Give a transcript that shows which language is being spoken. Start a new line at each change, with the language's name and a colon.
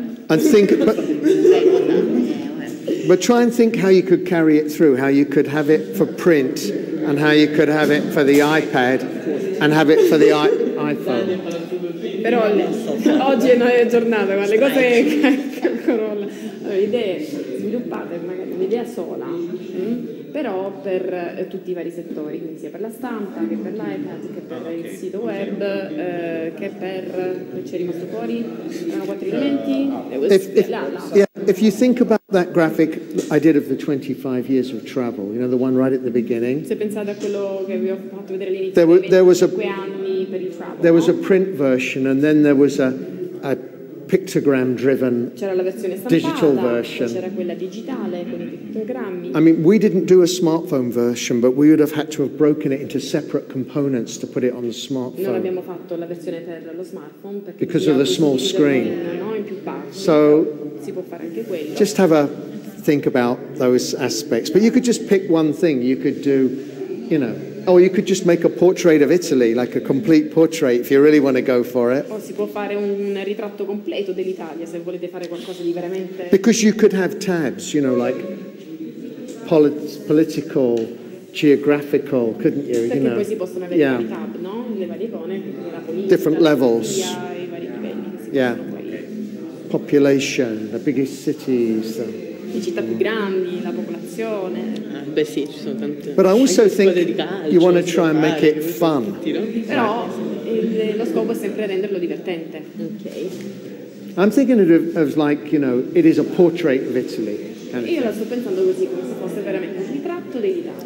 English: And think, but try and think how you could carry it through, how you could have it for print, and how you could have it for the iPad, and have it for the iPhone.
Italian: Però Oggi è una giornata, ma le cose allora, idee sviluppate magari un'idea sola, però per tutti i vari settori, quindi sia per la stampa che per l'iPad, che per il sito web, che per, ci è rimasto fuori, erano quattro elementi.
English: If you think about that graphic I did of the 25 years of travel, you know, the one right at the beginning.
Italian: Se pensate a quello che vi ho fatto vedere all'inizio,
English: there was a print version, and then there was a pictogram-driven digital version.
Italian: C'era quella digitale con i pictogrammi.
English: I mean, we didn't do a smartphone version, but we would have had to have broken it into separate components to put it on the smartphone.
Italian: Non abbiamo fatto la versione per lo smartphone perché
English: because of the small screen.
Italian: So, si può fare anche quello.
English: Just have a think about those aspects. But you could just pick one thing. You could do, you know. Or you could just make a portrait of Italy, like a complete portrait, if you really want to go for it.
Italian: O si può fare un ritratto completo dell'Italia se volete fare qualcosa di veramente.
English: Because you could have tabs, you know, like political, geographical, couldn't you?
Italian: Perché
English: you know.
Italian: Poi si possono avere i tab, no? Le varie icone, la politica,
English: different levels.
Italian: I vari livelli che si
English: Okay. Population, the biggest cities. So.
Italian: Le città più grandi, la popolazione. Beh sì, ci sono tante.
English: But I also think you want to try and make it fun.
Italian: Però lo scopo è sempre renderlo divertente.
English: Okay. I'm thinking of like, you know, it is a portrait of Italy. Kind of.
Italian: Io la sto pensando così, come se fosse veramente un ritratto dell'Italia.